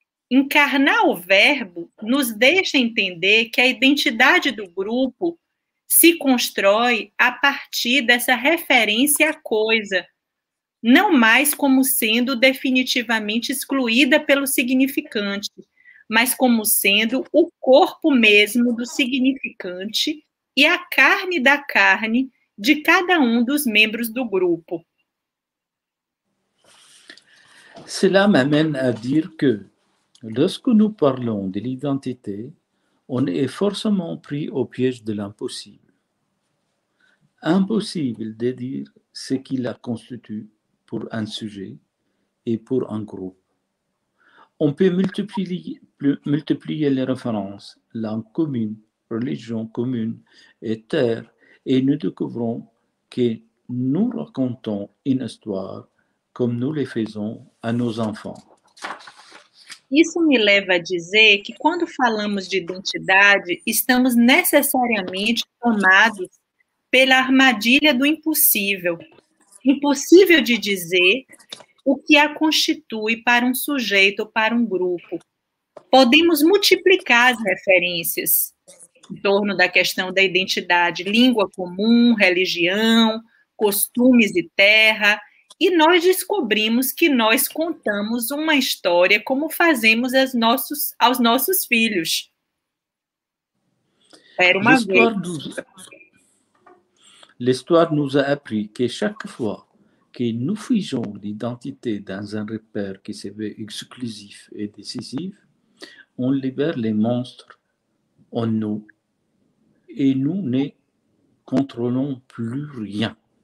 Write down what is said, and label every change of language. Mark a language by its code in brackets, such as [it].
[pt] Encarnar o verbo nos deixa entender que a identidade do grupo se constrói a partir dessa referência à coisa, não mais como sendo definitivamente excluída pelo significante, mas como sendo o corpo mesmo do significante e a carne da carne de cada um dos membros do grupo. [fr] Cela m'amène à dire que, lorsque nous parlons de l'identité, on est forcément pris au piège de l'impossible. Impossible de dire ce qui la constitue pour un sujet et pour un groupe. On peut multiplier les références, langue commune, religion commune, éther et nous découvrons que nous racontons une histoire comme nous le faisons à nos enfants. [pt] Isso me leva a dizer que quando falamos de identidade, estamos necessariamente tomados pela armadilha do impossível. Impossível de dizer o que a constitui para um sujeito ou para um grupo. Podemos multiplicar as referências em torno da questão da identidade, língua comum, religião, costumes e terra, e nós descobrimos que nós contamos uma história como fazemos aos nossos filhos. Era uma [fr] L'histoire nous a appris que chaque fois que nous figeons l'identité dans un repère qui se veut exclusif et décisif, on libère les monstres en nous et nous ne contrôlons plus rien.